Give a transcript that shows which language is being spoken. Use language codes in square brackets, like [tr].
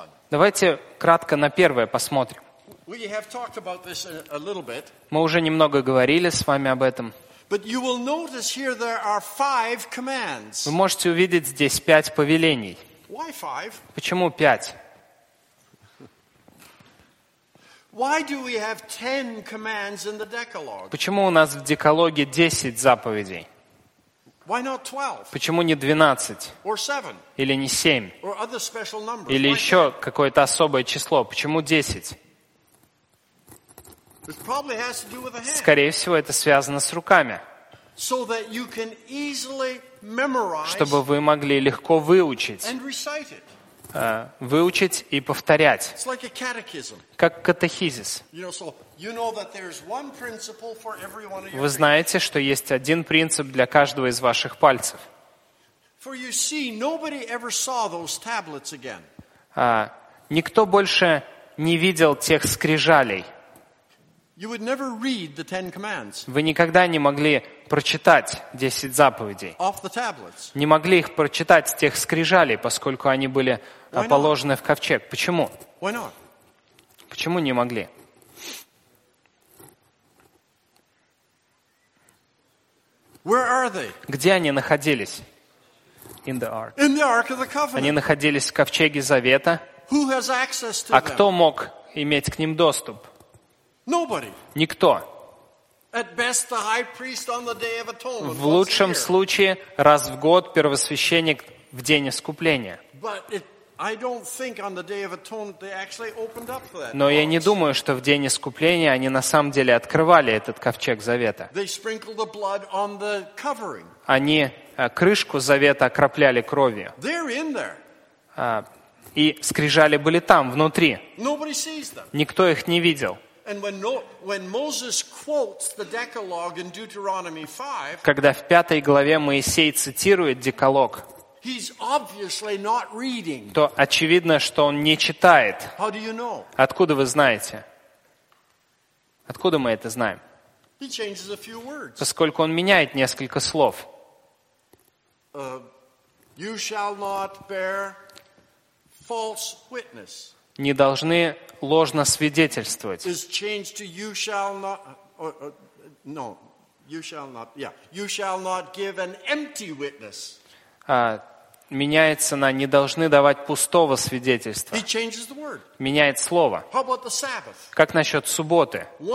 [ru] Давайте кратко на первое посмотрим. Мы уже немного говорили с вами об этом. Вы можете увидеть здесь пять повелений. Почему пять? [en] Why do we have 10 commands in the Decalogue? [ru] Почему у нас в Декалоге 10 заповедей? [en] Why not 12? [ru] Почему не 12? [en] Or 7? [ru] Или не 7? [en] Or other special numbers? [ru] Или еще какое-то особое число? Почему 10? [en] It probably has to do with the hand. [ru] Скорее всего, это связано с руками. [en] So that you can easily memorize. [ru] Чтобы вы могли легко выучить. [en] And recite it. [ru] Выучить и повторять. [en] It's like a catechism. [ru] Как катехизис. Вы знаете, что есть один принцип для каждого из ваших пальцев. [en] For you see, nobody ever saw those tablets again. [ru] Никто больше не видел тех скрижалей. [en] You would never read the Ten Commands. [ru] Вы никогда не могли прочитать 10 заповедей. [en] Off the tablets. [ru] Не могли их прочитать с тех скрижалей, поскольку они были положены в ковчег. Почему? [en] Why not? [ru] Почему не могли? [en] Where are they? [ru] Где они находились? [en] in the ark. In the ark of the covenant. [ru] Они находились в ковчеге завета. [en] Who has access to them? [ru] А кто мог иметь к ним доступ? [en] Nobody. [ru] Никто. [en] At best, the high priest on the day of atonement. [ru] В лучшем случае раз в год первосвященник в день искупления. [en] But I don't think on the day of atonement they actually opened up that. [ru] Но я не думаю, что в день искупления они на самом деле открывали этот ковчег завета. [en] They sprinkled the blood on the covering. [ru] Они крышку завета окропляли кровью. [en] They're in there. [ru] И скрижали были там внутри. [en] Nobody sees them. [ru] Никто их не видел. [en] And when Moses quotes the Decalogue in Deuteronomy 5, [ru] когда в пятой главе Моисей цитирует Деколог, [en] he's obviously not reading. [ru] То очевидно, что он не читает. [en] How do you know? [ru] Откуда вы знаете? Откуда мы это знаем? [en] He changes a few words. [ru] Поскольку он меняет несколько слов. [en] You shall not bear false witness. [ru] Не должны ложно свидетельствовать. [en] Is changed to you shall not. No, you shall not. Yeah, you shall not give an empty witness. [ru] Меняется на «не должны давать пустого свидетельства». Меняет слово. Как насчет субботы?